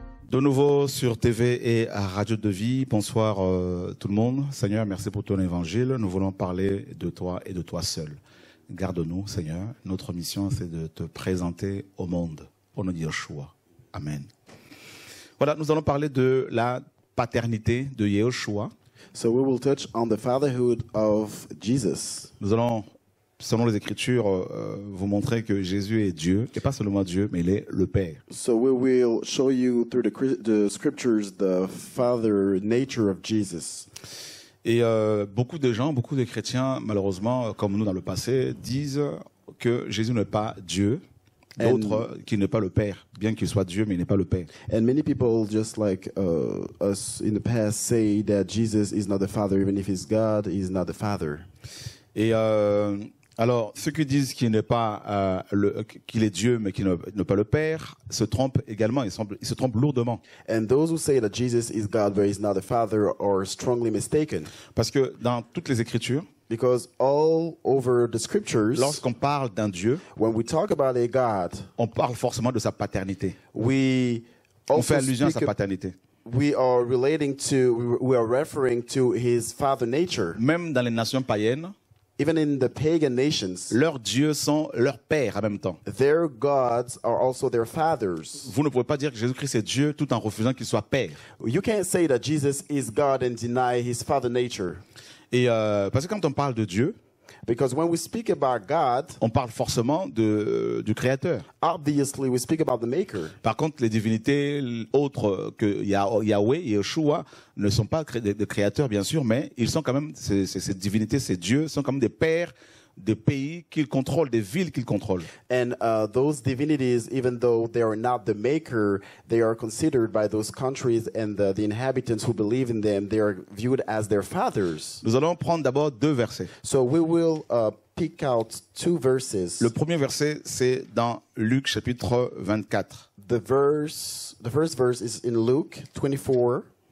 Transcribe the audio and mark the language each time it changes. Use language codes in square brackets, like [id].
[fr] De nouveau sur TV et à Radio de Vie. Bonsoir tout le monde. Seigneur, merci pour ton évangile. Nous voulons parler de toi et de toi seul. Garde-nous, Seigneur. Notre mission, c'est de te présenter au monde pour nous dire Yeshua. Amen. Voilà, nous allons parler de la paternité de Yeshua. [en] So we will touch on the fatherhood of Jesus. [fr] Nous allons, selon les Écritures, vous montrer que Jésus est Dieu, et pas seulement Dieu, mais il est le Père. [en] So we will show you through the Scriptures the Father nature of Jesus. [fr] Et beaucoup de gens, beaucoup de chrétiens, malheureusement, comme nous dans le passé, disent que Jésus n'est pas Dieu. D'autres qui n'est pas le Père, bien qu'il soit Dieu, mais il n'est pas le Père. [en] And many people, just like us in the past, say that Jesus is not the Father, even if he's God, he's not the Father. [fr] Et alors, ceux qui disent qu'il n'est pas qu'il est Dieu, mais qu'il n'est pas le Père, se trompent également. Ils se trompent lourdement. [en] And those who say that Jesus is God, but he's not the Father, are strongly mistaken. [fr] Parce que dans toutes les Écritures. [en] Because all over the scriptures, [fr] lorsqu'on parle d'un Dieu, [en] when we talk about a God, [fr] on parle forcément de sa paternité. [en] We [fr] on fait allusion à sa paternité. [en] We are referring to his father nature. [fr] Même dans les nations païennes, [en] even in the pagan nations, [fr] leurs dieux sont leurs pères en même temps. [en] Their gods are also their fathers. [fr] Vous ne pouvez pas dire que Jésus-Christ est Dieu tout en refusant qu'il soit père. [en] You can't say that Jesus is God and deny his father nature. [fr] Et parce que quand on parle de Dieu, [en] because when we speak about God, [fr] on parle forcément du Créateur. [en] Obviously, we speak about the Maker. [fr] Par contre, les divinités autres que Yahweh et Yeshua ne sont pas des créateurs, bien sûr, mais ils sont quand même, ces divinités, ces dieux, sont quand même des pères des pays qu'ils contrôlent, des villes qu'ils contrôlent. [en] And those divinities, even though they are not the Maker, they are considered by those countries and the inhabitants who believe in them, they are viewed as their fathers. [fr] Nous allons prendre d'abord deux versets. [en] So we will pick out two verses. [fr] Le premier verset, c'est dans Luc chapitre 24. [en] The first verse is in Luke 24.